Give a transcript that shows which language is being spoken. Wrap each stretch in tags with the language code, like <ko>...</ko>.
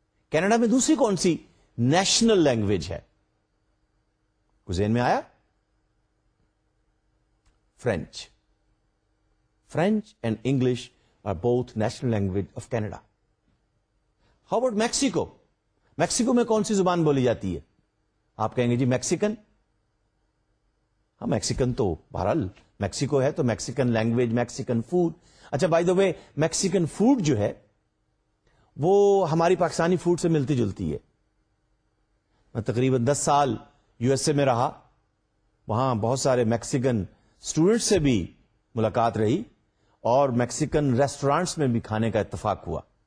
<ur>Canada میں دوسری کون سی نیشنل لینگویج ہے, ذہن میں آیا؟ French.</ur> <en>French and English are both national language of Canada. How about Mexico,</en> <ur>Mexico میں کون سی زبان بولی جاتی ہے؟ آپ کہیں گے جی میکسیکن. ہاں میکسیکن تو بہرحال میکسیکو ہے, تو میکسیکن لینگویج, میکسیکن فوڈ. اچھا by the way Mexican food جو ہے وہ ہماری پاکستانی فوڈ سے ملتی جلتی ہے. میں تقریباً 10 سال یو ایس اے میں رہا, وہاں بہت سارے میکسیکن اسٹوڈنٹس سے بھی ملاقات رہی اور میکسیکن ریسٹورانٹس میں بھی کھانے کا اتفاق ہوا.</ur>